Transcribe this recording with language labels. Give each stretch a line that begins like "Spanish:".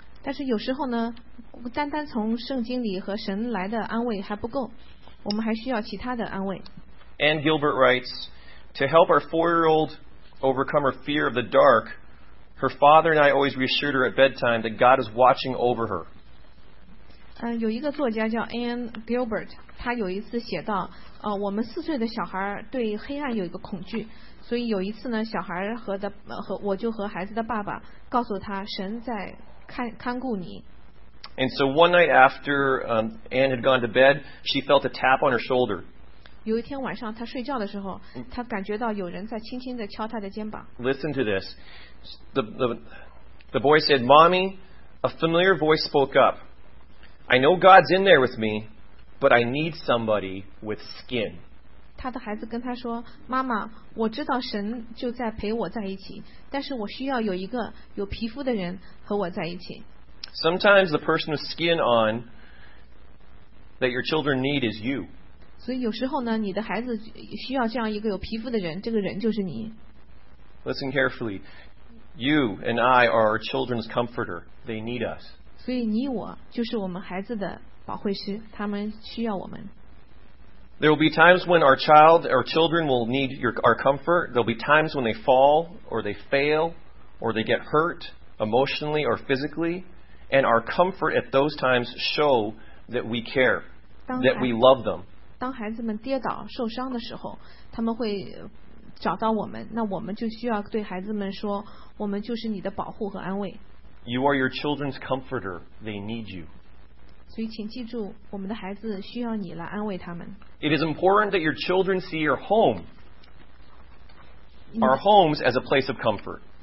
Chinese: 但是有时候呢，单单从圣经里和神来的安慰还不够，我们还需要其他的安慰。
English: Ann Gilbert writes, to help our four-year-old overcome her fear of the dark, her father and I always reassured her at bedtime that God is watching over her.
Chinese: 有一个作家叫 Ann Gilbert, 他有一次写到，我们四岁的小孩对黑暗有一个恐惧。所以有一次呢，小孩我就和孩子的爸爸告诉他，神在看顾你。
English: And so one night after Ann had gone to bed, she felt a tap on her shoulder.
Chinese: 有一天晚上，她睡觉的时候，她感觉到有人在轻轻地敲她的肩膀。
English: Listen to this. The boy said, "Mommy," a familiar voice spoke up. "I know God's in there with me, but I need somebody with skin."
Chinese: 他的孩子跟他说，妈妈，我知道神就在陪我在一起，但是我需要有一个有皮肤的人和我在一起。
English: Sometimes the person with skin on that your children need is you.
Chinese: 所以有时候呢，你的孩子需要这样一个有皮肤的人，这个人就是你。
English: Listen carefully. You and I are our children's comforter. They need us.
Chinese: 所以你我就是我们孩子的保惠师，他们需要我们。
English: There will be times when our child or children will need our comfort. There will be times when they fall or they fail or they get hurt emotionally or physically. And our comfort at those times show that we care, that we love them.
Chinese: 当孩子们跌倒受伤的时候，他们会找到我们，那我们就需要对孩子们说，我们就是你的保护和安慰。
English: You are your children's comforter. They need you.
Chinese: 所以请记住，我们的孩子需要你来安慰他们。
English: It is important that your children see your home, our homes, as a place of comfort.